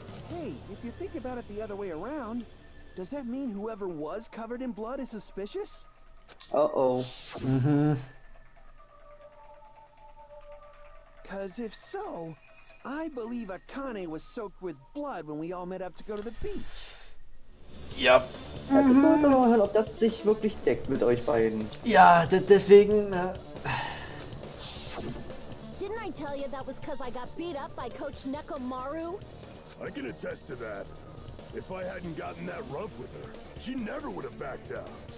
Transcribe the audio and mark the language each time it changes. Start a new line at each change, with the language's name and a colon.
English: Hey, if you think about it the other way around, does that mean whoever was covered in blood is suspicious? Uh-oh. Mm-hmm. Cause if so, I believe Akane was soaked with blood when we all met up to go to the beach. Yep. Mm-hmm.
German: Ja, mal hören, ob das sich wirklich deckt mit euch beiden. Ja, deswegen...
English: Didn't I tell you that was cause I got beat up by Coach Nekomaru? I can attest to that. If I hadn't gotten that rough with her, she never would have backed out.